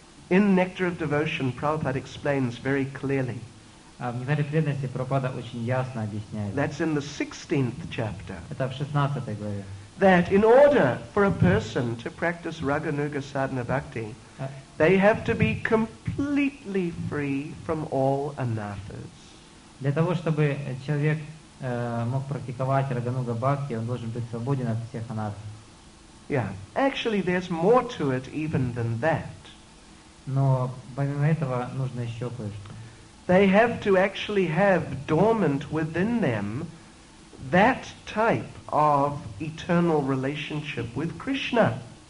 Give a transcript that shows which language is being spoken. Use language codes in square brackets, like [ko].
[en] In Nectar of Devotion, Prabhupada explains very clearly. [ru] В Нектаре преданности Прабхупада очень ясно объясняет. [en] That's in the 16th chapter. [ru] Это в 16 главе. [en] That in order for a person to practice Raganuga Sadhana Bhakti, they have to be completely free from all anathas. [ru] Для того, чтобы человек мог практиковать Рагануга Бхакти, он должен быть свободен от всех анат. [en] Yeah. Actually, there's more to it even than that. [ru] Но помимо этого нужно еще кое-что. [en] They have to actually have dormant within them that type of eternal relationship with Krishna.